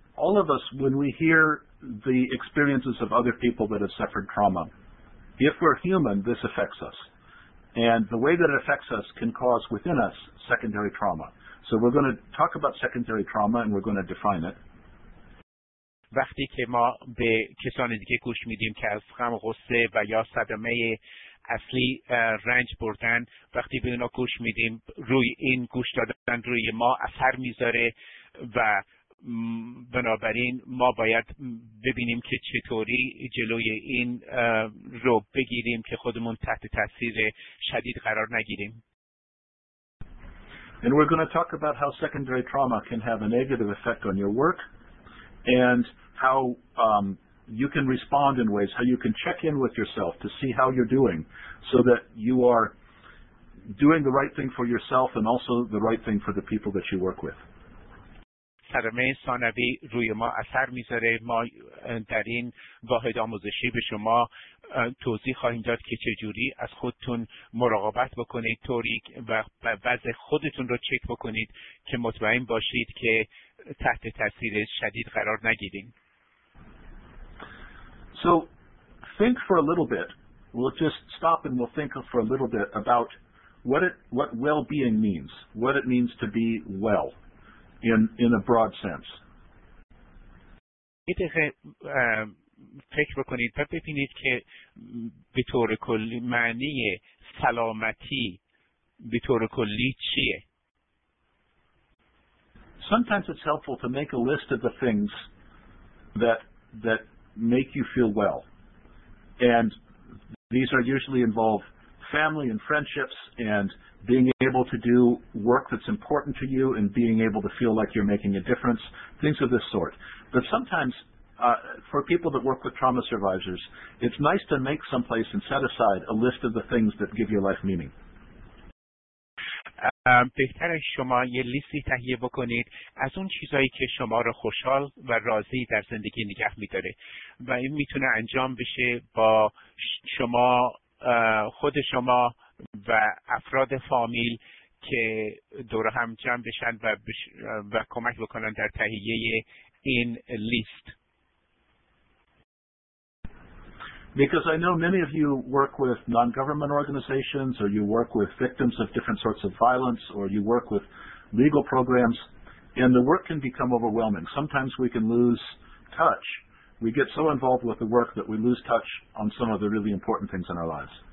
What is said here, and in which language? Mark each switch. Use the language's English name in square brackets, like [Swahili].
[English] All of us, when we hear the experiences of other people that have suffered trauma, if we're human, this affects us. And the way that it affects us can cause within us secondary trauma. So we're going to talk about secondary trauma and we're going to define it. [Persian] وقتی که ما به کسان دیگه گوش میدیم که از غم و غصه و یا صدمه اصلی رنج بردن، وقتی به اونا گوش میدیم، روی این گوش دادن روی ما اثر میذاره و بنابراین ما باید ببینیم که چطوری جلوی این رو بگیریم که خودمون تحت تاثیر شدید قرار نگیریم. [English] And we're going to talk about how secondary trauma can have a negative effect on your work and how you can respond in ways, how you can check in with yourself to see how you're doing so that you are doing the right thing for yourself and also the right thing for the people that you work with. [Persian] صدمه ثانوی روی ما اثر میذاره. ما در این واحد آموزشی به شما توضیح خواهیم داد که چجوری از خودتون مراقبت بکنید، طوری و وضع خودتون رو چک بکنید که مطمئن باشید که تحت تاثیر شدید قرار نگیرید. [English] So think for a little bit. We'll just stop and we'll think for a little bit about what well-being means, what it means to be well. In a broad sense. [Persian] یه دقیقه فکر بکنید و ببینید که به طور کلی معنی سلامتی به طور کلی چیه. [English] Sometimes it's helpful to make a list of the things that make you feel well. And these are usually involve family and friendships and being able to do work that's important to you and being able to feel like you're making a difference, things of this sort. But sometimes, for people that work with trauma survivors, it's nice to make some place and set aside a list of the things that give your life meaning. [Persian] بهتره شما یه لیستی تهیه بکنید از اون چیزایی که شما رو خوشحال و راضی در زندگی نگه می‌داره و این میتونه انجام بشه با شما، خود شما و افراد فامیل که دور هم جمع بشن و کمک بکنن در تهیه این لیست. [English] Because I know many of you work with non-government organizations or you work with victims of different sorts of violence or you work with legal programs and the work can become overwhelming. Sometimes we can lose touch. We get so involved with the work that we lose touch on some of the really important things in our lives.